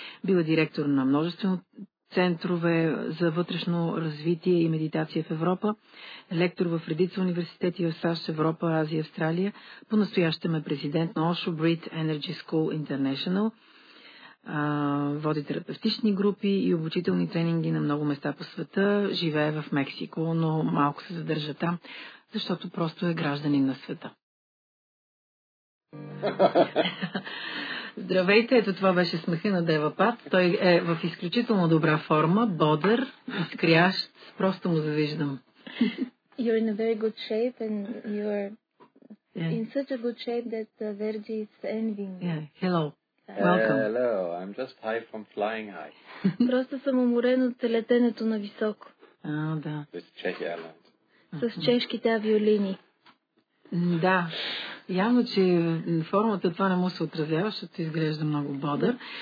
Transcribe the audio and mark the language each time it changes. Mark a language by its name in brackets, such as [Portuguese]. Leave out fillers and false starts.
[Bulgarian] Бил е директор на множествено центрове за вътрешно развитие и медитация в Европа, лектор в редица университети в САЩ, Европа, Азия, Австралия, по-настоящем е президент на Osho Breed Energy School International, води терапевтични групи и обучителни тренинги на много места по света, живее в Мексико, но малко се задържа там, защото просто е гражданин на света. Здравейте, ето това беше смехът на Девапад. Той е в изключително добра форма, бодър, искрящ, просто му завиждам. [English] You're in a very good shape and you're in such a good shape that Verdi is envying. Yeah, hello. Welcome. Hello, I'm just high from flying high. [Bulgarian] Просто съм уморен от летенето на високо. А, да. [English] With Czech Airlines. [Bulgarian] С чешките авиолини. Да, явно, че формата това не му се отразява, защото изглежда много бодър.